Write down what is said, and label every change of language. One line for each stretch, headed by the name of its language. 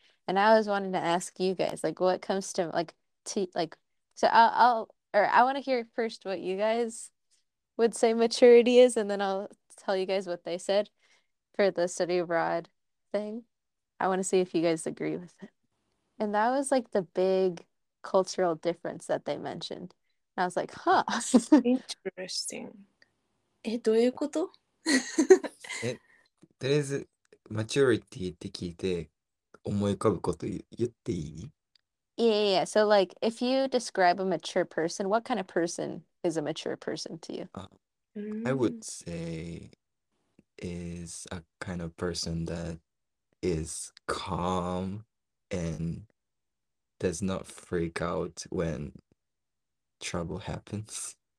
English: And I was wanting to ask you guys, like, what comes to, like, I want to hear first what you guys would say maturity is, and then I'll tell you guys what they said for the study abroad thing. I want to see if you guys agree with it. And that was, like, the big cultural difference that they mentioned. And I was like, huh. Interesting.
Japanese: どういうこと？とりあえずマチュリティって聞いて思い浮かぶこと言っていい？
English: Yeah. So like, if you describe a mature person, what kind of person is a mature person to you? I would say is a kind of person that is calm and does not freak out when trouble happens.